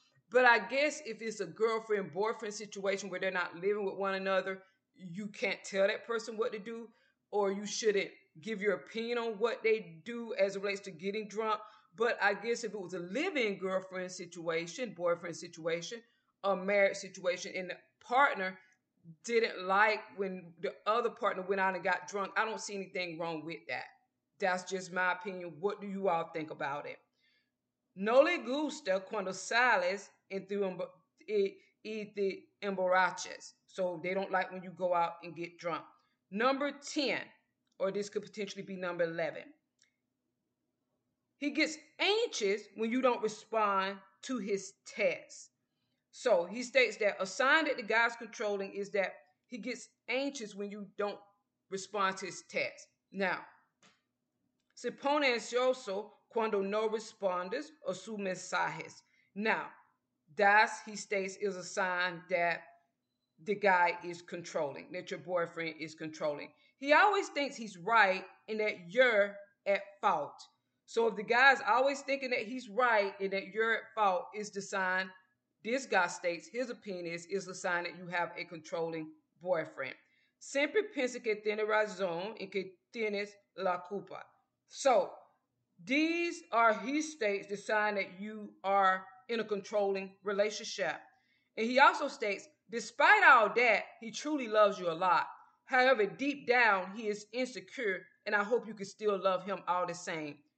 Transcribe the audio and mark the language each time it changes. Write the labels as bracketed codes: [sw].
[en] But I guess if it's a girlfriend, boyfriend situation where they're not living with one another, you can't tell that person what to do, or you shouldn't give your opinion on what they do as it relates to getting drunk. But I guess if it was a living girlfriend situation, boyfriend situation, a marriage situation, and the partner didn't like when the other partner went out and got drunk, I don't see anything wrong with that. That's just my opinion. What do you all think about it? [es] No le gusta cuando sales y te emborrachas. [en] So they don't like when you go out and get drunk. Number 10, or this could potentially be number 11. He gets anxious when you don't respond to his texts. So he states that a sign that the guy's controlling is that he gets anxious when you don't respond to his texts. [es] Now, se pone ansioso cuando no respondes a sus mensajes. [en] Now, that's, he states, is a sign that the guy is controlling, that your boyfriend is controlling. He always thinks he's right and that you're at fault. So if the guy's always thinking that he's right and that you're at fault, is the sign, this guy states, his opinion is a sign that you have a controlling boyfriend. [es] Siempre piensa que tiene razón y que tienes la culpa. [en] So, these are, he states, the sign that you are in a controlling relationship. And he also states, despite all that, he truly loves you a lot. However, deep down, he is insecure, and I hope you can still love him all the same.